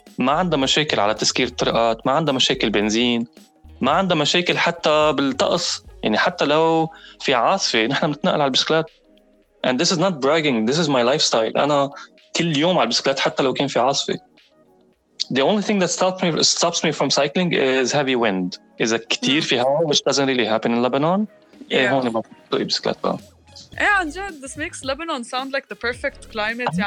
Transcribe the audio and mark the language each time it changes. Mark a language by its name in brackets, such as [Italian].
[Arabic] ما عندها مشاكل على تسكير الطرقات، ما عندها مشاكل بنزين، ما عندها مشاكل حتى بالطقس. يعني حتى لو في عاصفة نحن بنتنقل على البسكلات. [English] And this is not bragging, this is my lifestyle. [Arabic] أنا كل يوم على البسكلات حتى لو كان في عاصفة. [English] The only thing that stops me from cycling is heavy wind. [Arabic] إذا كتير في هوا, [English] which doesn't really happen in Lebanon. Yeah. [Arabic] هون ما بتطلق بسكلات بقى. [English] Yeah, Anjad, this makes Lebanon sound like the perfect climate.